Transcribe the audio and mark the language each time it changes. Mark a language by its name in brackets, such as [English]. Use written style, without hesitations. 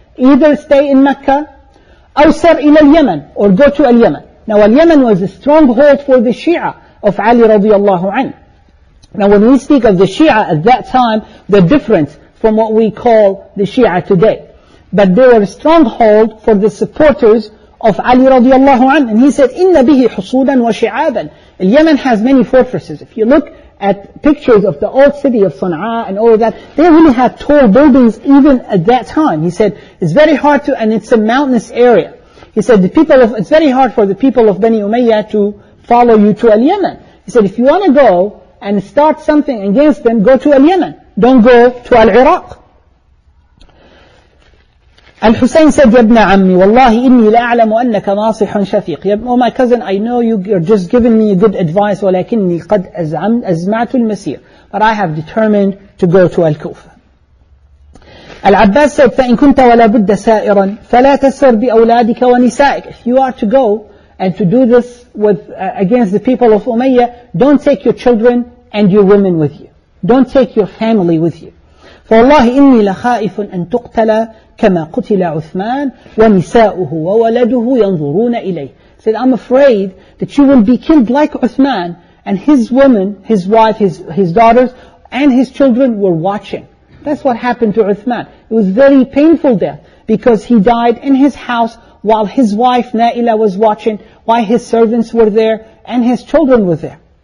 [English] Either stay in Mecca, [Arabic] أَوْ سَرْ إِلَى الْيَمَنِ, [English] or go to Al-Yaman. Now Al-Yaman was a stronghold for the Shia of Ali radiallahu anhu. Now when we speak of the Shia at that time, they're different from what we call the Shia today. But they were a stronghold for the supporters of Ali radiallahu anhu. And he said, [Arabic] إِنَّ بِهِ حُصُودًا وَشِعَابًا. [English] Yemen has many fortresses. If you look at pictures of the old city of Sana'a and all of that, they really had tall buildings even at that time. He said, it's very hard to, and it's a mountainous area. He said, it's very hard for the people of Bani Umayyah to follow you to Al-Yaman. He said, if you want to go and start something against them, go to Al-Yaman. Don't go to Al-Iraq. Al-Husayn said, [Arabic] يا ابن عمي والله إني لا أعلم أنك ناصح شفيق. [English] Oh my cousin, I know you're just giving me good advice, [Arabic] ولكني قد أزمعت المسير. [English] But I have determined to go to Al-Kufa. Al-Abbas said, [Arabic] فإن كنت ولا بد سائرا فلا تسر بأولادك ونسائك. [English] If you are to go and to do this against the people of Umayyah, don't take your children and your women with you. Don't take your family with you. [Arabic] فوالله إني لخائف أن تقتل كما قتل عثمان ونساؤه وولده ينظرون إليه. [English] Said, I'm afraid that you will be killed like Uthman, and his woman, his wife, his daughters, and his children were watching. That's what happened to Uthman. It was very painful death because he died in his house while his wife Naila was watching, while his servants were there and his children were there.